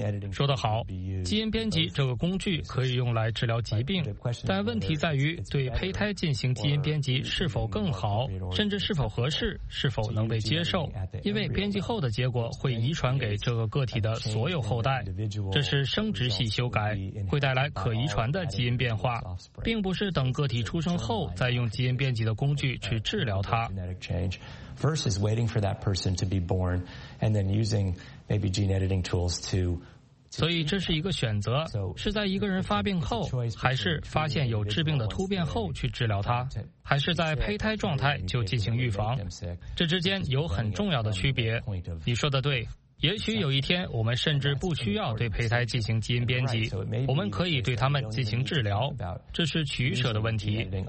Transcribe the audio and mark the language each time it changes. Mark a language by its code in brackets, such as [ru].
[zh] 说得好，基因编辑这个工具可以用来治疗疾病，但问题在于对胚胎进行基因编辑是否更好，甚至是否合适，是否能被接受，因为编辑后的结果会遗传给这个个体的所有后代。这是生殖系修改，会带来可遗传的基因变化，并不是等个体出生后再用基因编辑的工具去治疗它。 [en] Versus waiting for that person to be born and then using maybe gene editing tools to [zh] 所以这是一个选择，是在一个人发病后，还是发现有致病的突变后去治疗它，还是在胚胎状态就进行预防，这之间有很重要的区别。你说的对，也许有一天我们甚至不需要对胚胎进行基因编辑，我们可以对他们进行治疗，这是取舍的问题。